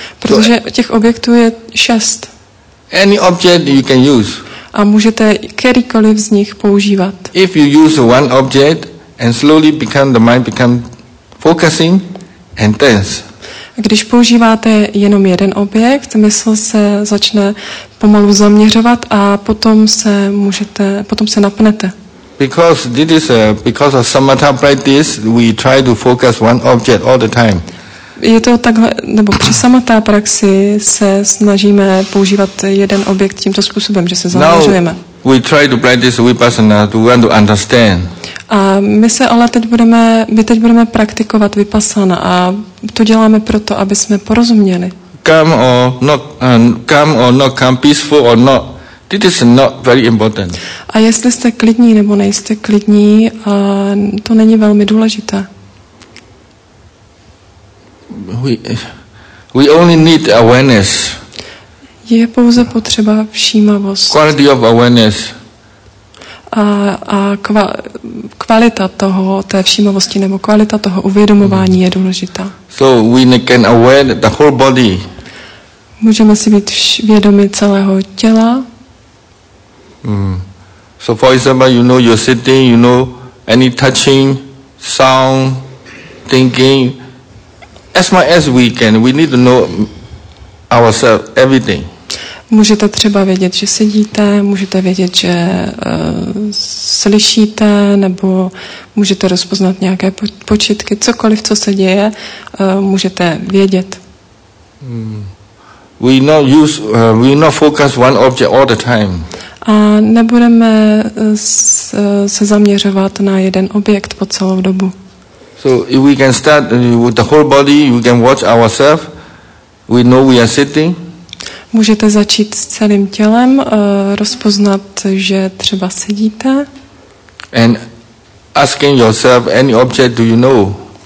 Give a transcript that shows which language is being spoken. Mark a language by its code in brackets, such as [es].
[cs] Protože těch objektů je 6. [en] Any object you can use. [cs] A můžete kterýkoliv z nich používat. [en] If you use one object and slowly become the mind become focusing and tense. [cs] Když používáte jenom jeden objekt, mysl se začne pomalu zaměřovat a potom se napnete. [en] Because this is because of samatha practice, we try to focus one object all the time. [cs] Je to takhle, nebo při samatha praxi se snažíme používat jeden objekt tímto způsobem, že se zaměřujeme. [en] Now we try to practice vipassana to want to understand. [cs] A my teď budeme praktikovat vipassana a to děláme proto, aby jsme porozuměli. [en] Come or not come, peaceful or not. This is not very important. [cs] A jestli jste klidní nebo nejste klidní, to není velmi důležité. [en] We only need awareness. [cs] Je pouze potřeba všímavost. [en] Quality of awareness. [cs] A kvalita toho, té všímavosti nebo kvalita toho uvědomování je důležitá. [en] So we can aware the whole body. [cs] Můžeme si být vědomi celého těla. [en] So for example, you know you're sitting, you know any touching, sound, thinking, as much as we need to know ourselves, everything. [cs] Můžete třeba vědět, že sedíte, můžete vědět, že slyšíte, nebo můžete rozpoznat nějaké počitky, cokoliv, co se děje, můžete vědět. [en] We not focus one object all the time. [cs] A nebudeme se zaměřovat na jeden objekt po celou dobu. [en] So if we can start with the whole body, we can watch ourselves. We know we are sitting. [cs] Můžete začít s celým tělem, rozpoznat, že třeba sedíte. [en] And asking yourself any object do you know?